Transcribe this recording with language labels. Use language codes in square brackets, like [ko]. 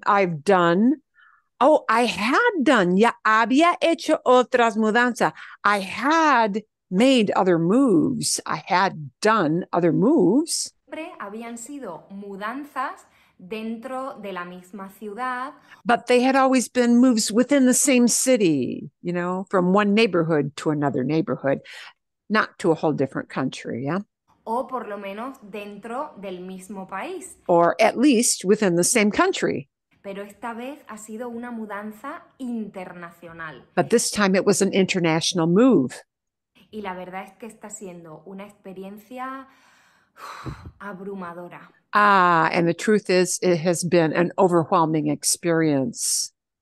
[en] I had done other moves. [es] Siempre habían sido mudanzas dentro de la misma ciudad. [en] But they had always been moves within the same city, you know, from one neighborhood to another neighborhood, not to a whole different country, yeah? [es] O por lo menos dentro del mismo país. [en] Or at least within the same country. [es] Pero esta vez ha sido una mudanza internacional. [en] But this time it was an international move. [es] Y la verdad es que está siendo una experiencia abrumadora. [en] Ah, and the truth is it has been an overwhelming experience.